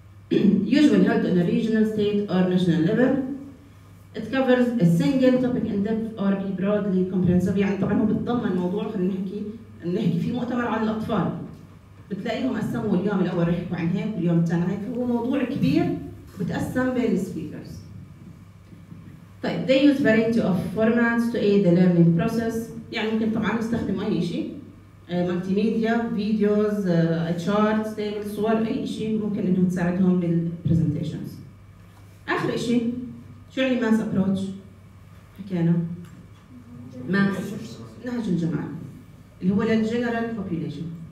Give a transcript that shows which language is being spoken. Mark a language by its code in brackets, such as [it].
[en] Usually held on a regional, state or national level. It covers a single topic in depth or be broadly comprehensive. [ar] يعني طبعا هو بتضمن موضوع، خلينا نحكي في مؤتمر عن الأطفال بتلاقيهم قسموا اليوم الأول رح يحكوا عن هيك واليوم الثاني هيك، فهو موضوع كبير بتقسم بين السبيكرز. [en] طيب they use variety of formats to aid the learning process. [ar] يعني ممكن طبعا يستخدموا أي شيء، ملتي ميديا، فيديوز، charts، tables، صور، أي شيء ممكن إنه تساعدهم بالpresentations. آخر شيء شو يعني mass approach؟ حكينا mass نهج الجماعة اللي هو للgeneral population.